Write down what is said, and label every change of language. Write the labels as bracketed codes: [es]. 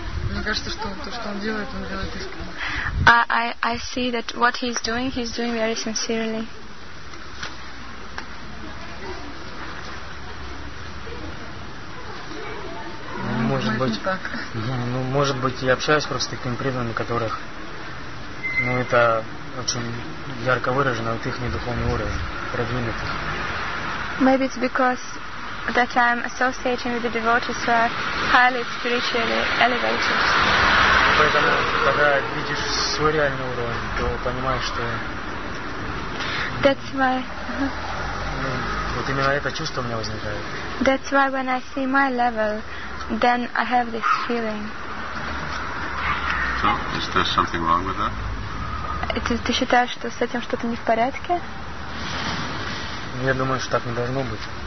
[ru] Мне кажется, что то, что он делает искренне. [en] I see that what he's doing very sincerely. [ru] Может быть, так. Ну, может быть, я общаюсь просто с такими преданными, которых, ну, это очень ярко выражено, вот их недуховный уровень продвинут. [en] Maybe it's because that I'm associating with the devotees who are highly spiritually elevated. [ru] Поэтому, когда видишь свой реальный уровень, то понимаешь, что... [en] That's why... [ru] Вот именно это чувство у меня возникает. [en] That's why when I see my level, then I have this feeling. So, is there something wrong with that? [ru] Ты считаешь, что с этим что-то не в порядке? Я думаю, что так не должно быть.